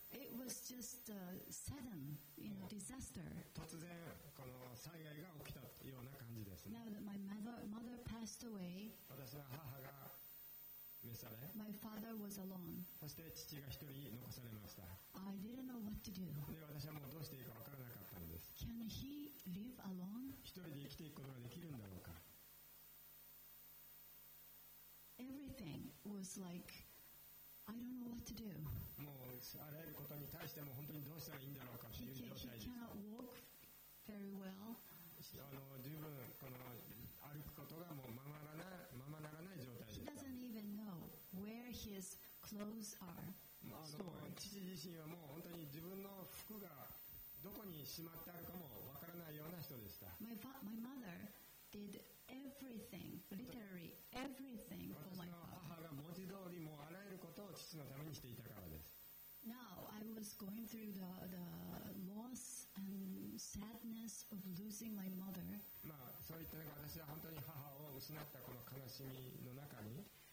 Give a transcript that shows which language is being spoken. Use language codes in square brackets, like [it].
[en] It was just a sudden, you know, disaster. [ja] 突然この災害が起きたような感じですね。 [en] Now that my mother passed away, [ja] 私の母が召され、 [en] my father was alone. [ja] そして父が一人残されました。 [en] I didn't know what to do. [ja] で、私はもうどうしていいか分からなかったんです。 [en] Can he live alone? [ja] 一人で生きていくことができるんだろうか。 [en] Everything was like, I don't know what to do. [ja] もうあらゆることに対しても本当にどうしたらいいんだろうかという状態です。 [en] He cannot walk very well. [ja] 十分この歩くことがもうままならない状態です。 [en] He doesn't even know where his clothes are. [ja] 父自身はもう本当に自分の服がどこにしまってあるかもわからないような人でした。 [en] My mother did everything, literally everything for my father. [ja] 私の母が文字通りもうあらゆることを父のためにしていたからです。 [en] Now I was going through the loss and sadness of losing my mother. [ja] まあそういった中、私は本当に母を失ったこの悲しみの中に、